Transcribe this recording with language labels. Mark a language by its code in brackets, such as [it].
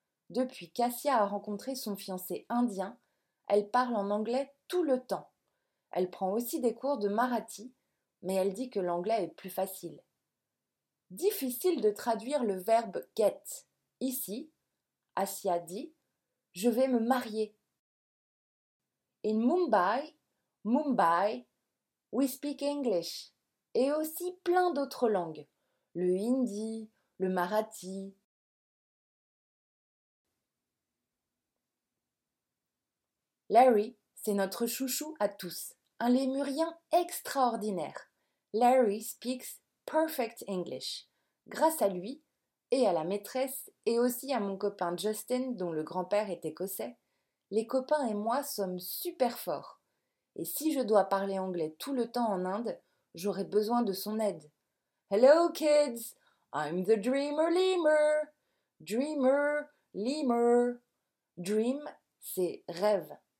[fr] Depuis qu'Asia a rencontré son fiancé indien, elle parle en anglais tout le temps. Elle prend aussi des cours de marathi, mais elle dit que l'anglais est plus facile. Difficile de traduire le verbe « get ». Ici, Asia dit « je vais me marier ». [en] In Mumbai, Mumbai, we speak English. [fr] Et aussi plein d'autres langues, le hindi, le marathi. Larry, c'est notre chouchou à tous, un lémurien extraordinaire. [en] Larry speaks perfect English. [fr] Grâce à lui, et à la maîtresse, et aussi à mon copain Justin, dont le grand-père est écossais, les copains et moi sommes super forts. Et si je dois parler anglais tout le temps en Inde, j'aurai besoin de son aide. [en] Hello kids, I'm the dreamer lemur. Dreamer, lemur. Dream, [fr] c'est rêve